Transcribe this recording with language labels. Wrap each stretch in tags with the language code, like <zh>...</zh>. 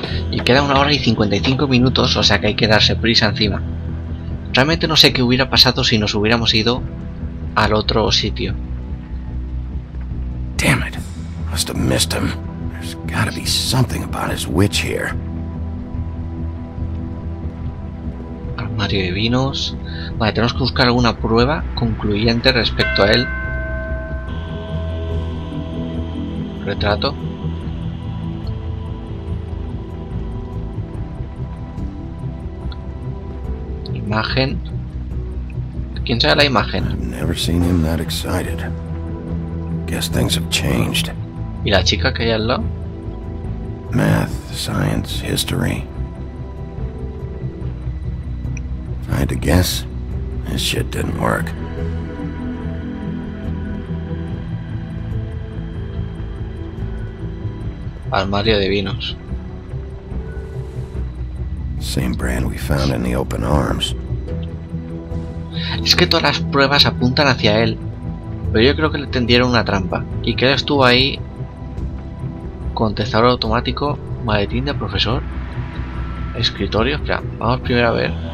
<es>Y queda 1 hora y 55 minutos, o sea que hay que darse prisa encima. Realmente no sé qué hubiera pasado si nos hubiéramos ido al otro sitio.</es> <en>Damn it. Must have missed him. There's gotta be something about his witch here.</en> <es>Armario de vinos. Vale, tenemos que buscar alguna prueba concluyente respecto a él. Retrato. Imagen. ¿Quién sabe la imagen?</es> <en>I've never seen him that excited. Guess things have changed.</en> <es>¿Y la chica que hay al lado?</es> <en>Math, science, history. I had to guess. This shit didn't work.</en> <es>Armario de vinos.</es> <en>Same brand we found in the open arms.</en> <es>Es que todas las pruebas apuntan hacia él. Pero yo creo que le tendieron una trampa. Y que él estuvo ahí. Contestador automático. Maletín de profesor. Escritorio. Espera, vamos primero a ver.</es>